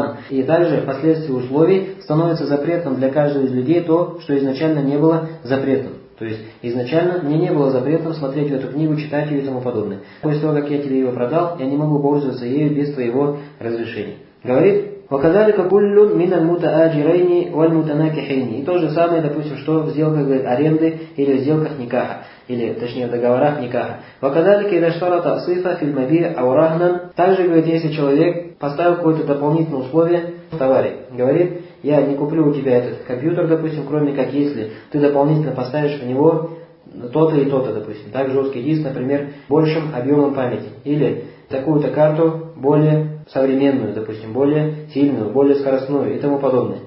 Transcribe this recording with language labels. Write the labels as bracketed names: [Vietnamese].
[Russian] И также впоследствии условий становится запретным для каждого из людей то, что изначально не было запретным. То есть изначально мне не было запретом смотреть эту книгу, читать ее и тому подобное. После того, как я тебе ее продал, я не могу пользоваться ею без твоего разрешения. Говорит, [Arabic] وَكَذَلِكَ كُلٌّ مِنَ الْمُتَآجِرَيْنِ وَالْمُتَنَاكِحَيْنِ. [Russian] И то же самое, допустим, что в сделках, говорит, аренды или в сделках никаха, или, точнее, в договорах никаха. [Arabic] وَكَذَلِكَ إِذَا اشْتَرَطَ صِفَةً فِي الْمَبِيعِ أَوْ رَهْنًا. [Russian] Также, говорит, если человек поставил какое-то дополнительное условие в товаре, говорит, я не куплю у тебя этот компьютер, допустим, кроме как если ты дополнительно поставишь в него то-то и то-то, допустим, так жесткий диск, например, большим объемом памяти, или такую-то карту более современную, допустим, более сильную, более скоростную и тому подобное.